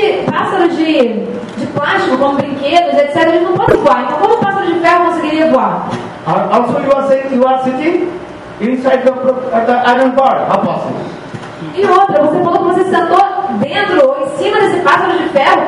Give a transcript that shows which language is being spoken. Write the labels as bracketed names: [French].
[Portuguese] Pássaro de plástico, como brinquedos, etc., eles não podem voar. Então como um pássaro de ferro conseguiria voar? [English] Also you are saying you are sitting inside the iron bar, how possible? [Portuguese] E outra, você falou que você sentou dentro ou em cima desse pássaro de ferro.